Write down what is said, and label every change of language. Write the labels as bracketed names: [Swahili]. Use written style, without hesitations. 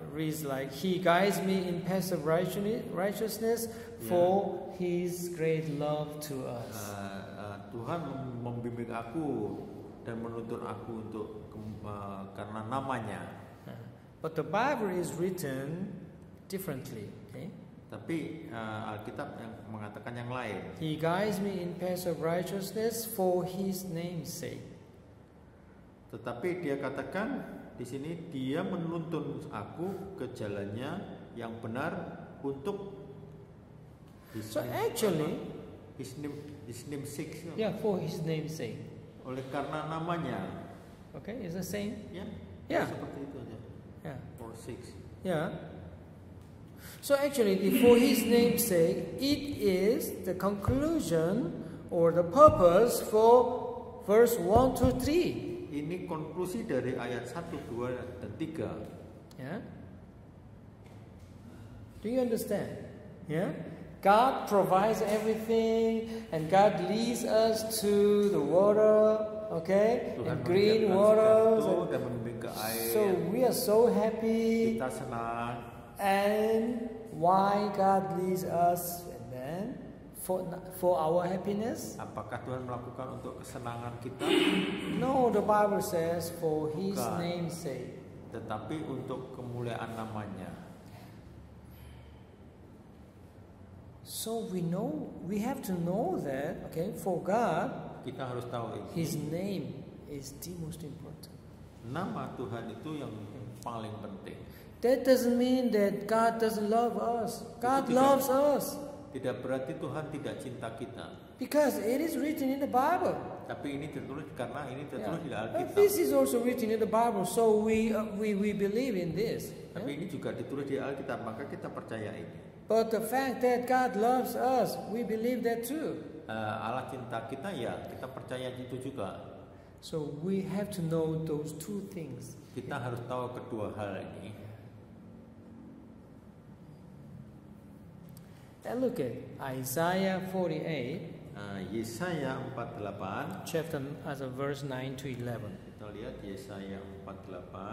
[English] Reads like, He guides me in paths of righteousness for His great love to us. [Indonesian] Tuhan membimbing aku dan menuntun aku untuk karena namanya. [English] But the Bible is written differently. Okay? [Indonesian] Tapi Alkitab yang mengatakan yang lain. [English] He guides me in paths of righteousness for His name's sake. [Indonesian] Tetapi dia katakan di sini, dia menuntun aku ke jalannya yang benar untuk [English] his name, actually his name sake. Yeah, for His name's sake. [Indonesian] Oleh karena namanya. [English] Okay, is the same? Yeah. Yeah. [Indonesian] Seperti itu aja. [English] Yeah. For six. Yeah. So actually, for His name's sake, it is the conclusion or the purpose for verse 1 to 3. [Indonesian] Ini konklusi dari ayat 1, 2, dan 3. [English] Yeah. Do you understand? Yeah. God provides everything, and God leads us to the water, okay? [Indonesian] Tuhan [English] and green water. So we are so happy. [Indonesian] Kita senang. [English] And why God leads us, and then for our happiness? [Indonesian] Apakah Tuhan melakukan untuk kesenangan kita? [English] No, the Bible says for His name's sake. [Indonesian] Tetapi untuk kemuliaan namanya. [English] So we know, we have to know that, okay, for God, [Indonesian] kita harus tahu ini. [English] His name is the most important. [Indonesian] Nama Tuhan itu yang paling penting. [English] That doesn't mean that God doesn't love us. God loves us. [Indonesian] Tidak berarti Tuhan tidak cinta kita. [English] Because it is written in the Bible. [Indonesian] Tapi ini tertulis karena ini tertulis di Alkitab. [English] But this is also written in the Bible, so we believe in this. [Indonesian] Tapi ini juga ditulis di Alkitab, maka kita percaya ini. [English] But the fact that God loves us, we believe that too. [Indonesian] Allah cinta kita, ya, kita percaya itu juga. [English] So we have to know those two things. [Indonesian] Kita harus tahu kedua hal ini. [English] And look at Isaiah 48. [Indonesian] Yesaya 48. [English] Chapter as a verse 9 to 11. [Indonesian] Kita lihat Yesaya 48.